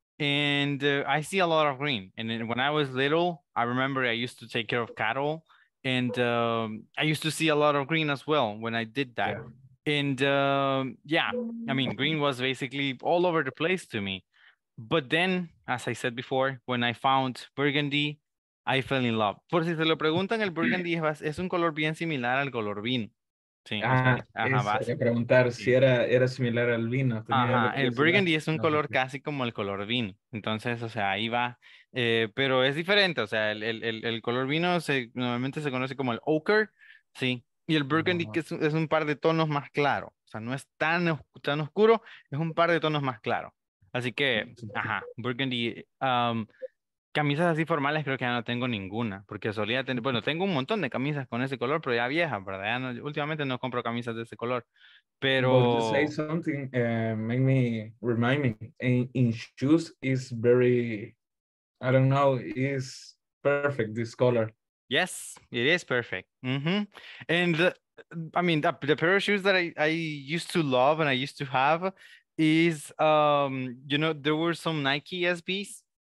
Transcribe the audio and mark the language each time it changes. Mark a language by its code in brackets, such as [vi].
[en] And I see a lot of green. And then when I was little, I remember I used to take care of cattle. And I used to see a lot of green as well when I did that. Yeah. And yeah, I mean, green was basically all over the place to me. But then, as I said before, when I found burgundy, I fell in love. [es] Por si se lo preguntan, el burgundy es un color bien similar al color vino. Era similar al vino. El burgundy es un color casi como el color vino. Entonces, o sea, ahí va. Pero es diferente. O sea, el color vino normalmente se conoce como el ochre. Sí. Y el burgundy que es un par de tonos más claro. O sea, no es tan, tan oscuro, es un par de tonos más claro. Así que, ajá, burgundy. Camisas así formales creo que ya no tengo ninguna, porque solía tener, bueno, tengo un montón de camisas con ese color, pero ya viejas, ¿verdad? Ya no, últimamente no compro camisas de ese color, pero... [en] Well, to say something, make me, remind me, in shoes is very, I don't know, is perfect, this color. Yes, it is perfect. Mm-hmm. And, I mean, the pair of shoes that I used to love and I used to have is, you know, there were some Nike SBs.